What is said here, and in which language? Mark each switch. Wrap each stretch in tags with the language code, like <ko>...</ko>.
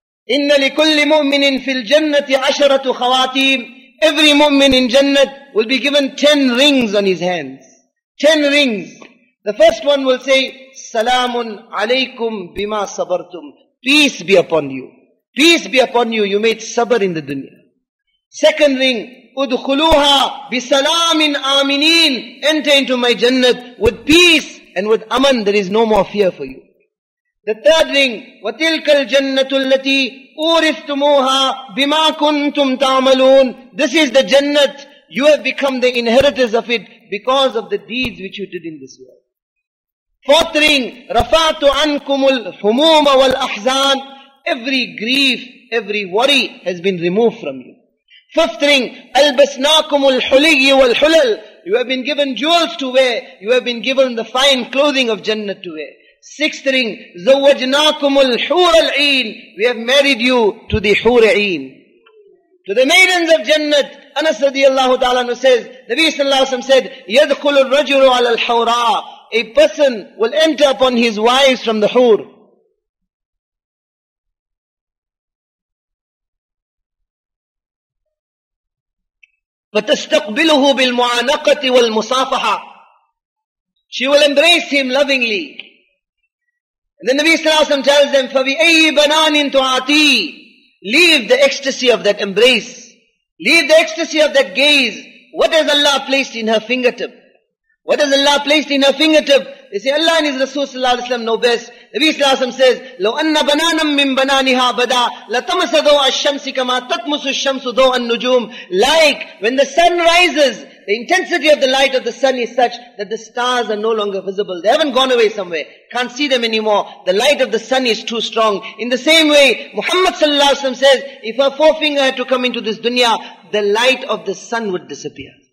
<ar>إِنَّ لِكُلِّ مُؤْمِنٍ فِي الْجَنَّةِ عَشَرَةُ خَوَاتِيمٍ.</ar> <en>Every mu'min in Jannat will be given 10 rings on his hands. 10 rings. The first one will say,</en> <ar>سَلَامٌ عَلَيْكُمْ بِمَا صَبَرْتُمْ.</ar> <en>Peace be upon you. Peace be upon you. You made sabr in the dunya. Second ring,</en> <ar>ادخلوها بسلام آمنين.</ar> <en>Enter into my Jannat with peace and with aman. There is no more fear for you. The third ring,</en> <ar>وَتِلْكَ الْجَنَّةُ الَّتِي أُورِثْتُمُوهَا بِمَا كُنْتُمْ تَعْمَلُونَ.</ar> <en>This is the Jannat. You have become the inheritors of it because of the deeds which you did in this world. Fourth ring,</en> <ar>رَفَعْتُ عَنْكُمُ الْحُمُومَ وَالْأَحْزَانَ.</ar> <en>Every grief, every worry has been removed from you. Fifth ring,</en> <ar>أَلْبَسْنَاكُمُ الْحُلِيِّ وَالْحُلَلِ.</ar> <en>You have been given jewels to wear. You have been given the fine clothing of Jannah to wear. Sixth ring,</en> <ar>زَوَّجْنَاكُمُ الْحُورَ الْعِينَ.</ar> <en>We have married you to the Hura'een. To the maidens of Jannah, Anas radiallahu ta'ala says, Nabi sallallahu alayhi wa sallam said,</en> <ar>يَدْخُلُ الرَّجُلُ عَلَى الْحَوْرَىٰ.</ar> <en>A person will enter upon his wives from the Hur.</en> <ar>فَتَسْتَقْبِلُهُ بِالْمُعَانَقَةِ وَالْمُصَافَحَةِ.</ar> <en>She will embrace him lovingly. And then Nabi sallallahu alayhi wa sallam tells them,</en> <ar>فَبِأَيِّ بَنَانٍ تُعَاتِي.</ar> <en>Leave the ecstasy of that embrace. Leave the ecstasy of that gaze. What has Allah placed in her fingertip? What has Allah placed in her fingertip? They say, Allah and His Rasul sallallahu alayhi wa sallam know best. Nabi sallallahu alayhi wa sallam says,</en> <ar>لَوْ أَنَّ بَنَانًا مِّن بَنَانِهَا بَدَى لَتَمَسَ ضَوْءَ الشَّمْسِ كَمَا تَطْمُسُ الشَّمْسُ ضَوْءَ النُّجُومِ.</ar> <en>Like when the sun rises, the intensity of the light of the sun is such that the stars are no longer visible. They haven't gone away somewhere. Can't see them anymore. The light of the sun is too strong. In the same way, Muhammad sallallahu alayhi wa sallam says, if her forefinger had to come into this dunya, the light of the sun would disappear.</en>